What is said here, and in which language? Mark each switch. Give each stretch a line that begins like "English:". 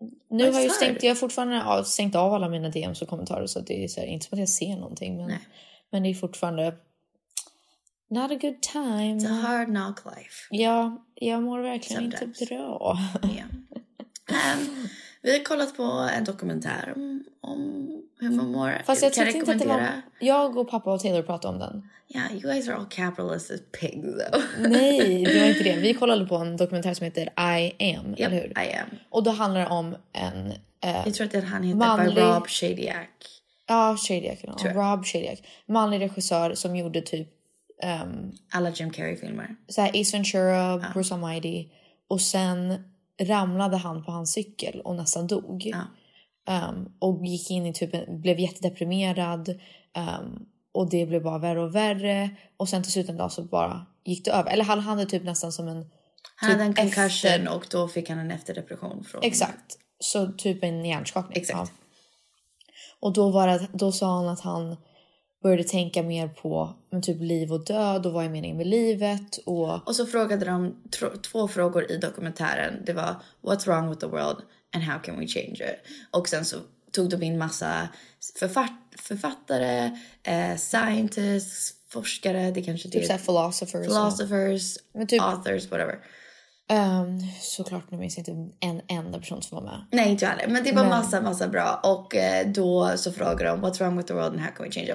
Swedish: Nu har jag stängt, jag fortfarande stängt av alla mina DMs och kommentarer, så det är så här, inte som att jag ser någonting, men det är fortfarande
English: not a good time. It's a hard knock life.
Swedish: Ja, jag mår verkligen sometimes. Inte bra.
English: Yeah.
Swedish: Vi har kollat på en dokumentär om hur man mår. Fast jag tyckte inte att det var... Jag och pappa och Taylor pratade om den.
English: Yeah, you guys are all capitalist as pigs though.
Swedish: Nej, det var inte det. Vi kollade på en dokumentär som heter I Am, yep, eller hur? I Am. Och då handlar det om en... jag tror att han heter Rob Shadyac. Ja, Shadyac. Rob Shadyac. Manlig regissör som gjorde typ... alla Jim Carrey-filmer. Så här, Ace Ventura, Bruce Almighty. Och sen... ramlade han på hans cykel och nästan dog. Ja. Och gick in i typen, blev jättedeprimerad. Och det blev bara värre och värre. Och sen till slut en dag så bara gick det över. Eller han hade typ nästan som en... Han hade en concussion och då fick han en efterdepression. Exakt. Så typ en hjärnskakning. Exakt. Ja. Och då, då sa han att han började tänka mer på men typ liv och död och vad är meningen med livet. Och så frågade de två frågor i dokumentären. Det var,
English: what's wrong with the world and how can we change it?
Swedish: Och sen så tog de in massa författare, scientists, forskare. Det kanske typ såhär philosophers.
English: Philosophers,
Swedish: men typ,
English: authors, whatever.
Swedish: Såklart, nu minns jag inte en enda person som var med. Nej, inte heller. Men det var massa bra. Och då så frågade de,
English: what's wrong with the world and how can we change it?